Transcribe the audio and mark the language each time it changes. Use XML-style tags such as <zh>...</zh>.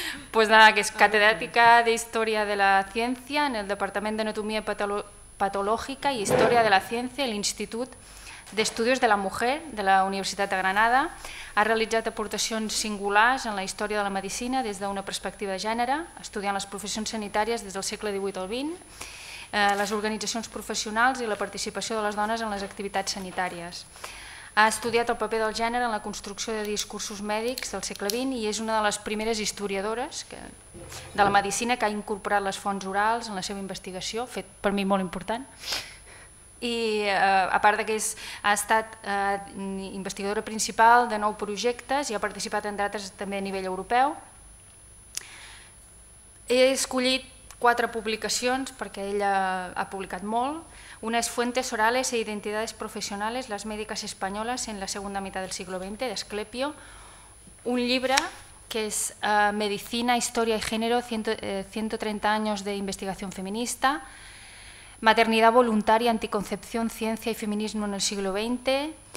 <es>Pues nada, que es catedrática de Historia de la Ciencia en el Departamento de Anatomía Patológica y Historia de la Ciencia, el Instituto de Estudios de la Mujer de la Universidad de Granada. Ha realizado aportaciones singulares en la historia de la medicina desde una perspectiva de género, estudiando las profesiones sanitarias desde el siglo XVIII al XX, las organizaciones profesionales y la participación de las mujeres en las actividades sanitarias.</es> <ca>Ha estudiat el paper del gènere en la construcció de discursos mèdics del segle XX i és una de les primeres historiadores de la medicina que ha incorporat les fonts orals en la seva investigació, fet per mi molt important. I a part que ha estat investigadora principal de 9 projectes i ha participat en d'altres també a nivell europeu. He escollit 4 publicacions perquè ella ha publicat molt.</ca> <es>Una es Fuentes orales e identidades profesionales, las médicas españolas en la segunda mitad del siglo XX, de Asclepio. Un libro que es Medicina, Historia y Género, 130 años de investigación feminista. Maternidad voluntaria, anticoncepción, ciencia y feminismo en el siglo XX.</es>